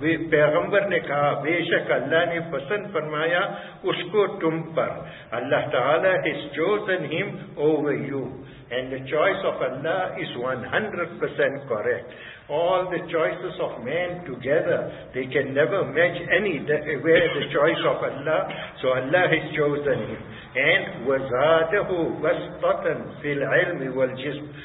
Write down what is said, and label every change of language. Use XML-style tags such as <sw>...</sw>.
<ur>پیغمبر نے کہا بے شک اللہ نے پسند فرمایا اس کو تم پر.</ur> <en>اللہ تعالیٰ has chosen him over you. And the choice of Allah is 100% correct. All the choices of man together, they can never match any where the choice of Allah. So Allah has chosen him.</en> <ar>And وَزَادَهُ وَسْطَةً فِي الْعِلْمِ وَالْجِسْمِ.</ar>